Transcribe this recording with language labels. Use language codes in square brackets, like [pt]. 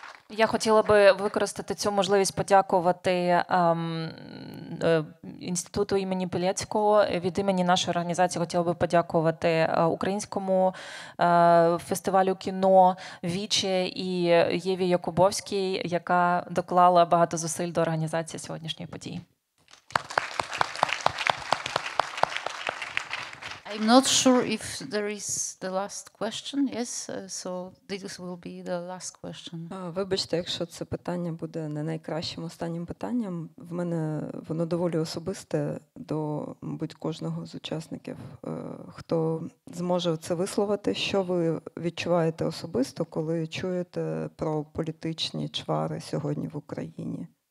[uk] Я хотіла би використати цю можливість подякувати інституту імені Пилецького. Від імені нашої організації хотіла би подякувати українському фестивалю кіно «Вічі» і Єві Якубовській, яка доклала багато зусиль до організації сьогоднішньої події. [en] I'm not sure if there is the last question. Yes, so this will be the last question. [uk] Вибачте, якщо це питання буде не найкращим останнім питанням. В мене воно доволі особисте до будь-кожного з учасників. Хто зможе це висловити? Що ви відчуваєте особисто, коли чуєте про політичні чвари сьогодні в Україні?